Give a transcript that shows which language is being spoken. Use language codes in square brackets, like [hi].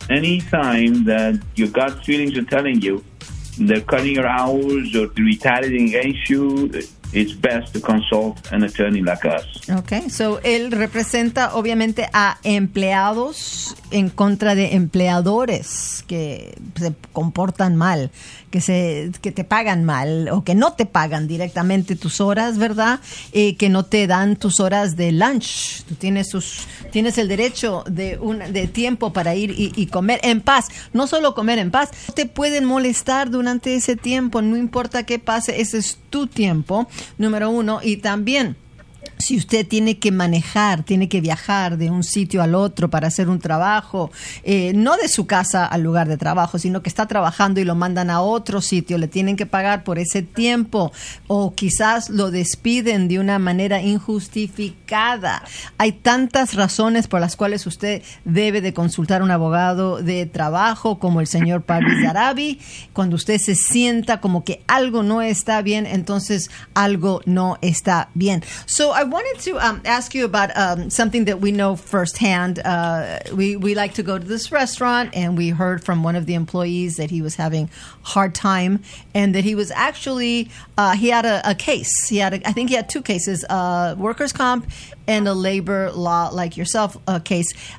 [en] Any time that your gut feelings are telling you they're cutting your hours or retaliating against you, it's best to consult an attorney like us. Okay, so [es] él representa obviamente a empleados en contra de empleadores que se comportan mal, que te pagan mal o que no te pagan directamente tus horas, ¿verdad? Y que no te dan tus horas de lunch. Tú tienes tienes el derecho de tiempo para ir y comer en paz. No solo comer en paz. Te pueden molestar durante ese tiempo, no importa qué pase, ese es tu tiempo, número uno. Y también, si usted tiene que manejar, tiene que viajar de un sitio al otro para hacer un trabajo, no de su casa al lugar de trabajo, sino que está trabajando y lo mandan a otro sitio, le tienen que pagar por ese tiempo o quizás lo despiden de una manera injustificada. Hay tantas razones por las cuales usted debe de consultar a un abogado de trabajo como el señor Pavis Zarabi. Cuando usted se sienta como que algo no está bien, entonces algo no está bien. [en] So I wanted to ask you about something that we know firsthand. We like to go to this restaurant, and we heard from one of the employees that he was having a hard time, and that he was actually, he had a case. He had, I think he had two cases, workers' comp and a labor law, like yourself, case.